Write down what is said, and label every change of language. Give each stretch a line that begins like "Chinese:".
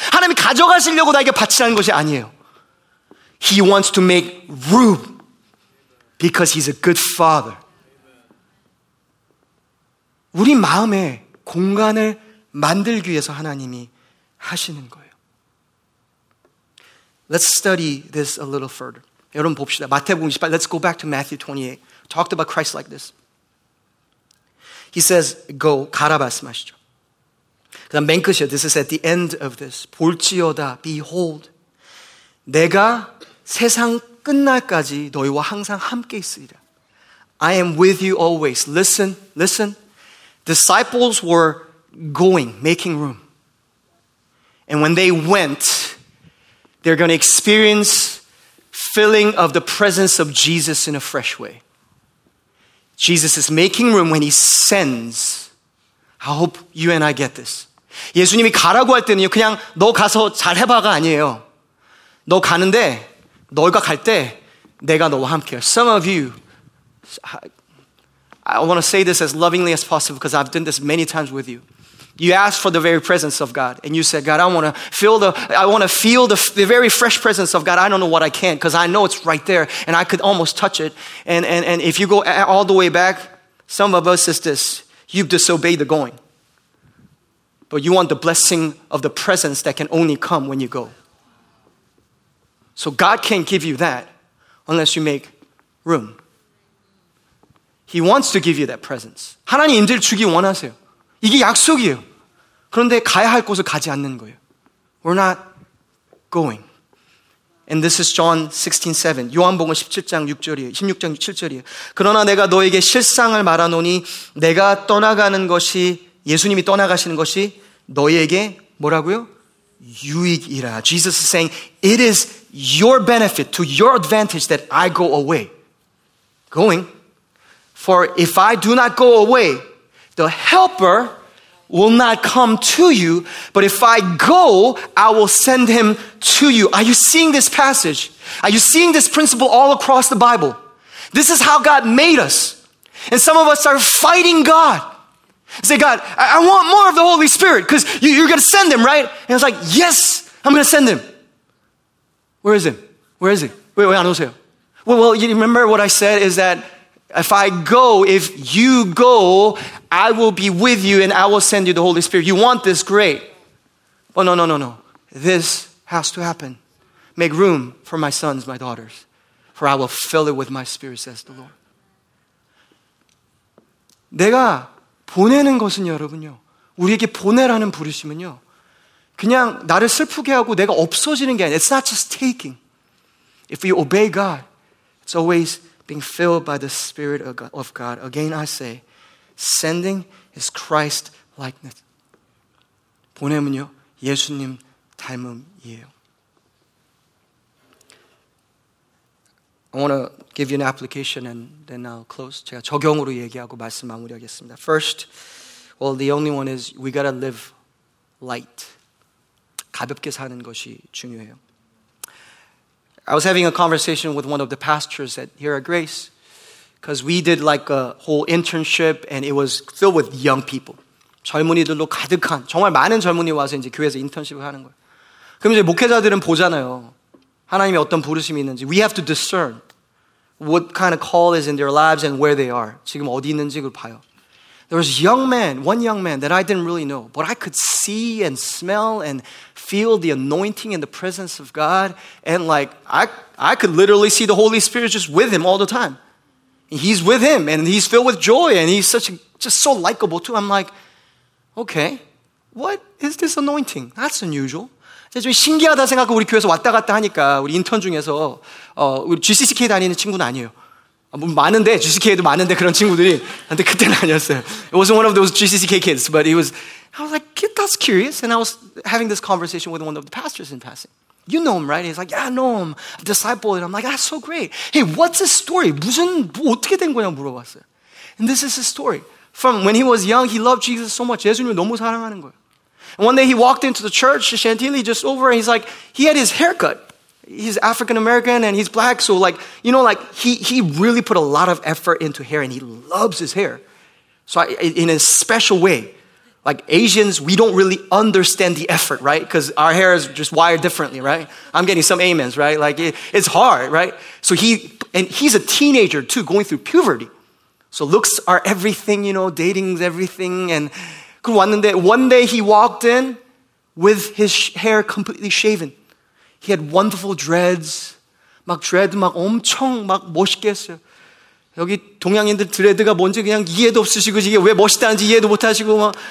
Korean: 하나님 가져가시려고 나에게 바치라는 것이 아니에요.
English: He wants to make room because he's a good father.
Korean: 우리 마음에 공간을 만들기 위해서 하나님이 하시는 거예요.
English: Let's study this a little further.
Korean: 여러분 봅시다. 마태복음 28.
English: Let's go back to Matthew 28. Talked about Christ like this. He says, go,
Korean: 가라 말씀하시죠. 그 다음 맨 끝이에요.
English: This is at the end of this.
Korean: 볼지어다,
English: behold.
Korean: 내가 세상 끝날까지 너희와 항상 함께 있으리라.
English: I am with you always. Listen, listen. Disciples were going, making room. And when they went, they're going to experience filling of the presence of Jesus in a fresh way. Jesus is making room when he sends. I hope you and I get this.
Korean: 예수님이 가라고 할 때는요, 그냥 너 가서 잘 해봐가 아니에요. 너 가는데, 너희가 갈 때, 내가 너와 함께요.
English: Some of you, I want to say this as lovingly as possible because I've done this many times with you. You asked for the very presence of God and you said, God, I want to feel the very fresh presence of God. I don't know what I can because I know it's right there and I could almost touch it. And if you go all the way back, some of us is this, you've disobeyed the going. But you want the blessing of the presence that can only come when you go. So God can't give you that unless you make room. He wants to give you that presence.
Korean: 하나님 임재를 주기 원하세요. 이게 약속이에요. 그런데 가야 할 곳을 가지 않는 거예요.
English: We're not going. And this is John 16:7.
Korean: 요한복음 17장 6절이에요. 16장 7절이에요. 그러나 내가 너에게 실상을 말하노니 내가 떠나가는 것이 예수님이 떠나가시는 것이 너에게 뭐라고요? 유익이라.
English: Jesus is saying it is your benefit to your advantage that I go away. Going. For if I do not go away, the helper will not come to you. But if I go, I will send him to you. Are you seeing this passage? Are you seeing this principle all across the Bible? This is how God made us. And some of us are fighting God. Say, God, I want more of the Holy Spirit because you're going to send him, right? And it's like, yes, I'm going to send him. Where is he? Where is he? Wait, I don't see him. Well, you remember what I said is that if I go, if you go, I will be with you and I will send you the Holy Spirit. You want this, great. Oh, no, no, no, no. This has to happen. Make room for my sons, my daughters, for I will fill it with my spirit, says the Lord.
Korean: 내가 보내는 것은 여러분요, 우리에게 보내라는 부르심은요, 그냥 나를 슬프게 하고 내가 없어지는 게 아니에요.
English: It's not just taking. If we obey God, it's always being filled by the Spirit of God. Again, I say, sending is Christ-likeness.
Korean: 보내면요, 예수님 닮음이에요.
English: I want to give you an application and then I'll close.
Korean: 제가 적용으로 얘기하고 말씀 마무리하겠습니다.
English: First, well, the only one is we got to live light.
Korean: 가볍게 사는 것이 중요해요.
English: I was having a conversation with one of the pastors at here at Grace because we did like a whole internship and it was filled with young people.
Korean: 젊은이들로 가득한, 정말 많은 젊은이 와서 이제 교회에서 인턴십을 하는 거예요. 그럼 이제 목회자들은 보잖아요. 하나님이 어떤 부르심이 있는지.
English: We have to discern what kind of call is in their lives and where they are.
Korean: 지금 어디 있는지 그걸 봐요.
English: There was a young man, one young man that I didn't really know, but I could see and smell and feel the anointing in the presence of God. And like, I could literally see the Holy Spirit just with him all the time. He's with him and he's filled with joy and he's such a, just so likable too. I'm like, okay, what is this anointing? That's unusual.
Korean: 좀 신기하다 생각하고 우리 교회에서 왔다 갔다 하니까 우리 인턴 중에서 우리 GCCK 다니는 친구는 아니에요. 뭐 많은데 GCK에도 많은데 그런 친구들이 근데 그때는 아니었어요.
English: It wasn't one of those GCCK kids, but it was. I was like, that's curious, and I was having this conversation with one of the pastors in passing. You know him, right? He's like, yeah, I know him, a disciple. And I'm like, that's so great. Hey, what's his story?
Korean: 무슨 뭐 어떻게 된 거냐 물어봤어요.
English: And this is his story. From when he was young, he loved Jesus so much.
Korean: 예수님을 너무 사랑하는 거예요.
English: And one day he walked into the church, Chantilly, just over, and he's like, he had his hair cut. He's African-American and he's black, so like, you know, like, he really put a lot of effort into hair and he loves his hair. So in a special way, like Asians, we don't really understand the effort, right? Because our hair is just wired differently, right? I'm getting some amens, right? Like, it's hard, right? So he's a teenager too, going through puberty. So looks are everything, you know, dating's everything. And one day he walked in with his hair completely shaven. He had wonderful dreads.
Korean: 막 dread 막 엄청 막 멋있게 했어요. 여기 동양인들 dread가 뭔지 그냥 이해도 없으시고 이게 왜 멋있다는지 이해도 못하시고 막